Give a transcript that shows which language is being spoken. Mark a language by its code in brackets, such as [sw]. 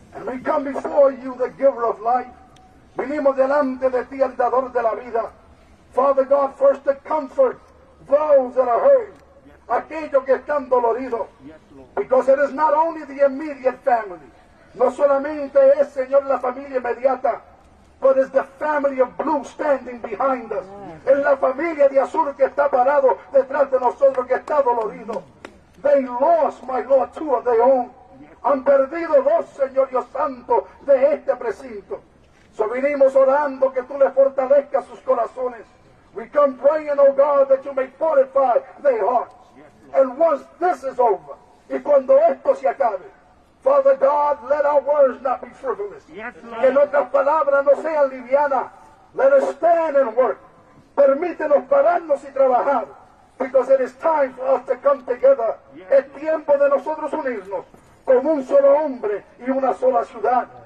[en] And we come before you, the giver of life. [es] Vinimos delante de ti, el dador de la vida. [en] Father God, first to comfort those that are hurt. Yes, [es] aquellos que están doloridos. [en] Yes, because it is not only the immediate family. [es] No solamente es, Señor, la familia inmediata. [en] But it's the family of blue standing behind us. Yes. [es] Es la familia de azul que está parado detrás de nosotros, que está dolorido. [en] They lost, my Lord, two of their own. Yes. [es] Han perdido dos, Señor Dios Santo, de este precinto. So vinimos orando que tú le fortalezcas sus corazones. [en] We come praying, oh God, that you may fortify their hearts. Yes, and once this is over, [es] y cuando esto se acabe, [en] Father God, let our words not be frivolous. Yes, [es] que nuestras palabras no sean livianas. [en] Let us stand and work. [es] Permítenos pararnos y trabajar. [en] Because it is time for us to come together. Yes. [es] Es tiempo de nosotros unirnos como un solo hombre y una sola ciudad.